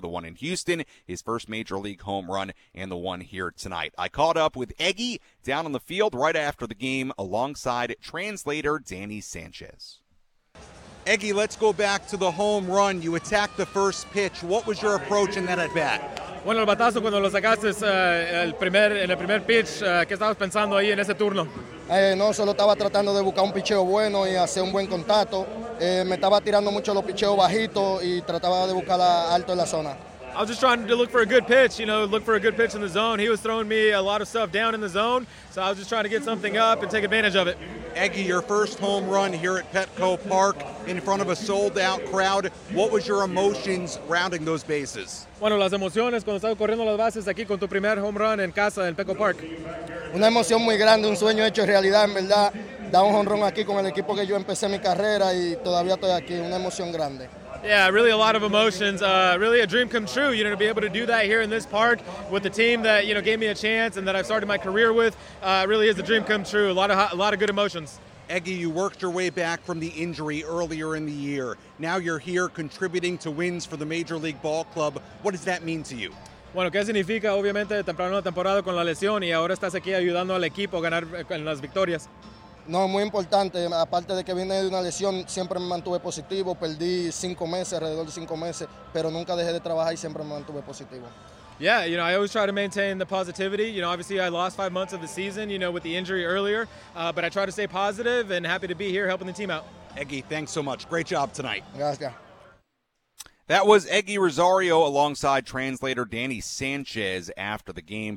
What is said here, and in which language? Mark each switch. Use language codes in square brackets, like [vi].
[en] The one in Houston, his first major league home run, and the one here tonight. I caught up with Eggy down on the field right after the game alongside translator Danny Sanchez. Eggy, let's go back to the home run. You attacked the first pitch. What was your approach in that at bat? [es] Bueno, el batazo cuando lo sacaste en el primer pitch, ¿qué estabas pensando ahí en ese turno? No, solo estaba tratando de buscar un picheo bueno y hacer un buen contacto. Me estaba tirando mucho los picheos bajitos y trataba de buscar alto en la zona. [en] I was just trying to look for a good pitch, you know, look for a good pitch in the zone. He was throwing me a lot of stuff down in the zone, so I was just trying to get something up and take advantage of it. Eggy, your first home run here at Petco Park in front of a sold-out crowd. What was your emotions rounding those bases? [es] Bueno, las emociones cuando estaba corriendo las bases aquí con tu primer home run en casa en Petco Park. Una emoción muy grande, un sueño hecho realidad, en verdad. Da un home run aquí con el equipo que yo empecé mi carrera y todavía estoy aquí. Una emoción grande. [en] Yeah, really a lot of emotions. Really a dream come true, you know, to be able to do that here in this park with the team that, you know, gave me a chance and that I've started my career with. Really is a dream come true. A lot of good emotions. Eggy, you worked your way back from the injury earlier in the year. Now you're here contributing to wins for the Major League Ball Club. What does that mean to you? [es] Bueno, ¿qué significa? Obviamente, temprano la temporada con la lesión y ahora estás aquí ayudando al equipo a ganar en las victorias. No, muy importante. Aparte de que vine de una lesión, siempre me mantuve positivo. Perdí 5 meses, alrededor de 5 meses, pero nunca dejé de trabajar y siempre me mantuve positivo. [en] Yeah, you know, I always try to maintain the positivity. You know, obviously I lost 5 months of the season, you know, with the injury earlier. But I try to stay positive and happy to be here helping the team out. Eggy, thanks so much. Great job tonight. [es] Gracias. [en] That was Eggy Rosario alongside translator Danny Sanchez after the game.